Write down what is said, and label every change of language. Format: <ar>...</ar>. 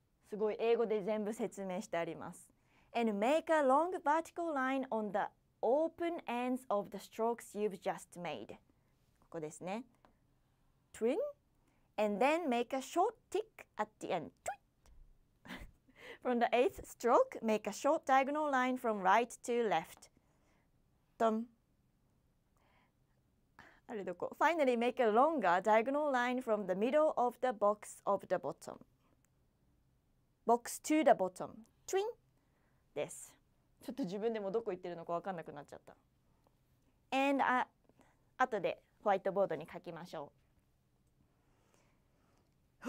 <ja>すごい英語で全部説明してあります。</ja> <en>And make a long vertical line on the open ends of the strokes you've just made.</en> <ja>ここですね。Twin.</ja> <en>And then make a short tick at the end. Twit. From the eighth stroke, make a short diagonal line from right to left. Dun.</en> <ja>あれどこ?</ja> <en>Finally, make a longer diagonal line from the middle of the box of the bottom. Box to the bottom. Twin! です。</en> <ja>ちょっと自分でもどこ行ってるのか分かんなくなっちゃった。 And あとでホワイトボードに書きましょう。</ja>